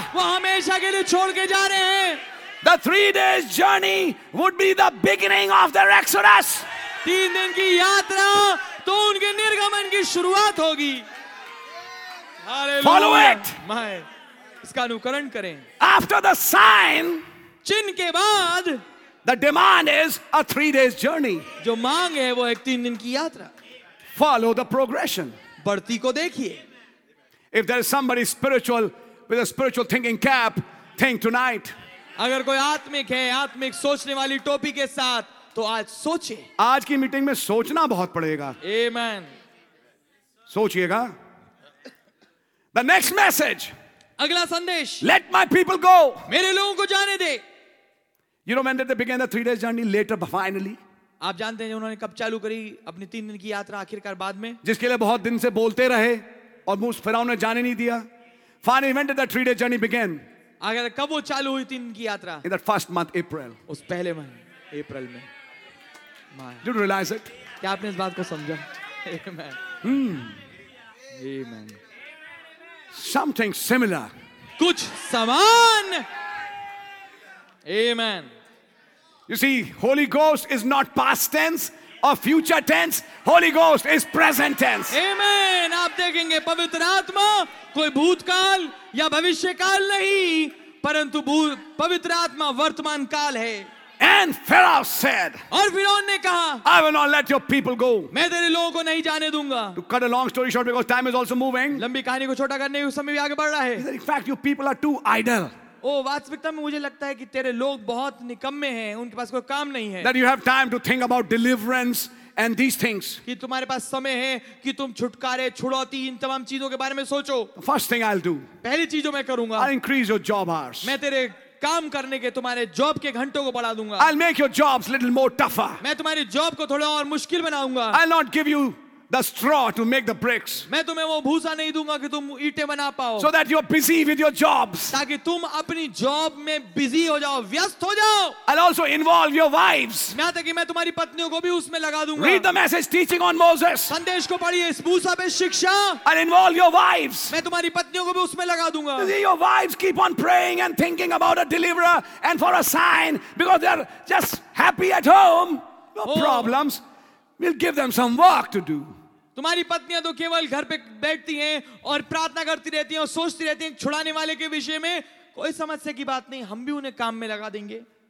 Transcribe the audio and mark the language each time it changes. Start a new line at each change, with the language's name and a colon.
Hindi: वो हमेशा के लिए छोड़ के जा रहे हैं.
English: The 3 days journey would be the beginning of their exodus.
Hindi: 3 दिन की यात्रा तो उनके निर्गमन की शुरुआत होगी.
English: Follow it.
Hindi: इसका अनुकरण करें.
English: After the sign,
Hindi: चिन्ह के बाद,
English: the demand is a 3 days journey.
Hindi: जो मांग है वो एक 3 दिन की यात्रा.
English: Follow the progression.
Hindi: बढ़ती को देखिए.
English: If there is somebody spiritual with a spiritual thinking cap, think tonight.
Hindi: अगर कोई आत्मिक है, आत्मिक सोचने वाली टोपी के साथ, तो आज सोचे. आज की मीटिंग में सोचना बहुत पड़ेगा. Amen.
English: सोचिएगा. The next message.
Hindi: अगला संदेश.
English: Let my people go.
Hindi: मेरे लोगों को जाने दे.
English: You know when did they begin the 3 days journey later but finally?
Hindi: आप जानते हैं उन्होंने कब चालू करी अपनी 3 दिन की यात्रा आखिरकार बाद में? जिसके लिए बहुत दिन से बोलते रहे और मुझ फिराओं ने जाने नहीं दिया.
English: Finally when did the 3 days journey begin?
Hindi: अगर कब वो चालू हुई 3 दिन की यात्रा?
English: In that first month April.
Hindi: उस पहले महीने अप्रैल में.
English: Do you realize it?
Hindi: क्या आपने इस बात को समझा? Amen. Amen.
English: Something similar.
Hindi: कुछ समान. Amen.
English: You see, Holy Ghost is not past tense or future tense. Holy Ghost is present tense. Amen.
Hindi: आप देखेंगे पवित्र आत्मा कोई भूतकाल या भविष्यकाल नहीं, परंतु पवित्र आत्मा वर्तमान काल है.
English: And Pharaoh said.
Hindi: और फिरौन ने कहा,
English: I will not let your people go.
Hindi: मैं तेरे लोगों को नहीं जाने दूंगा.
English: To cut a long story short, because time is also moving.
Hindi: लंबी कहानी को छोटा करने उस समय भी आगे बढ़ रहा है.
English: In fact, your people are too idle.
Hindi: ओ वास्तविकता में मुझे लगता है कि तेरे लोग बहुत निकम्मे हैं, उनके पास कोई काम नहीं है.
English: That you have time to think about deliverance and these things.
Hindi: कि तुम्हारे पास समय है कि तुम छुटकारे, छुड़ौती, इन तमाम चीजों के बारे में सोचो.
English: First thing I'll do.
Hindi: पहली चीज जो मैं करूंगा.
English: I'll increase your job hours.
Hindi: मैं तेरे काम करने के तुम्हारे जॉब के घंटों को बढ़ा दूंगा.
English: I'll make your jobs little more tougher.
Hindi: मैं तुम्हारी जॉब को थोड़ा और मुश्किल बनाऊंगा.
English: I'll not give you the straw to make the bricks.
Hindi: मैं तुम्हें वो भूसा नहीं दूंगा कि तुम ईंटें बना पाओ.
English: So that you're busy with your jobs.
Hindi: ताकि तुम अपनी जॉब में बिजी हो जाओ, व्यस्त हो जाओ.
English: I'll also involve your wives.
Hindi: यहां तक कि मैं तुम्हारी पत्नियों को भी उसमें लगा दूंगा.
English: Read the message teaching on Moses.
Hindi: संदेश को पढ़िए इस भूसा पे शिक्षा.
English: I'll involve your wives.
Hindi: मैं तुम्हारी पत्नियों को भी उसमें लगा दूंगा.
English: See, your wives keep on praying and thinking about a deliverer and for a sign because they're just happy at home. No problems. We'll give them some work to do.
Hindi: तुम्हारी पत्नियां तो केवल घर पे बैठती हैं और प्रार्थना करती रहती हैं और सोचती रहती हैं छुड़ाने वाले के विषय में. कोई समस्या की बात नहीं, हम भी उन्हें काम में लगा देंगे.